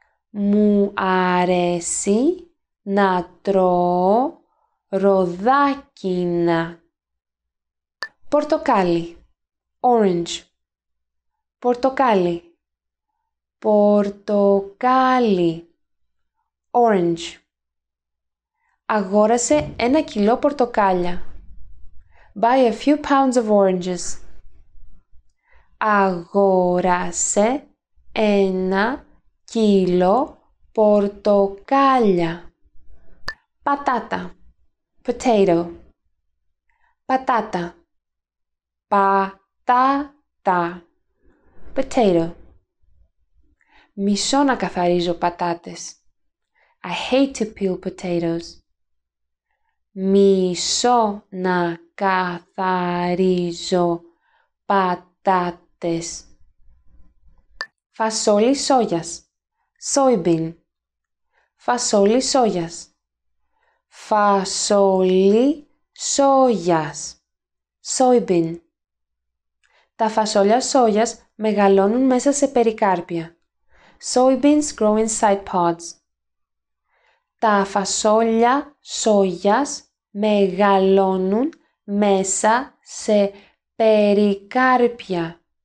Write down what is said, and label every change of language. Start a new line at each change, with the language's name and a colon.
Greek: Μου αρέσει να τρώω ροδάκινα. Πορτοκάλι.
English: Orange.
Greek: Πορτοκάλι. Πορτοκάλι.
English: Orange.
Greek: Αγόρασε 1 κιλό πορτοκάλια.
English: Buy a few pounds of oranges.
Greek: Αγόρασε 1 κιλό πορτοκάλια. Πατάτα.
English: Potato.
Greek: Πατάτα. Πατάτα.
English: Potato.
Greek: Μισώ να καθαρίζω πατάτες.
English: I hate to peel potatoes.
Greek: Μισώ να καθαρίζω πατάτες. Φασόλι σόγιας.
English: Soybean.
Greek: Φασόλι σόγιας. Φασόλι σόγιας.
English: Soybean.
Greek: Τα φασόλια σόγιας μεγαλώνουν μέσα σε περικάρπια.
English: Soybeans grow inside pods.
Greek: Τα φασόλια σόγιας μεγαλώνουν μέσα σε περικάρπια.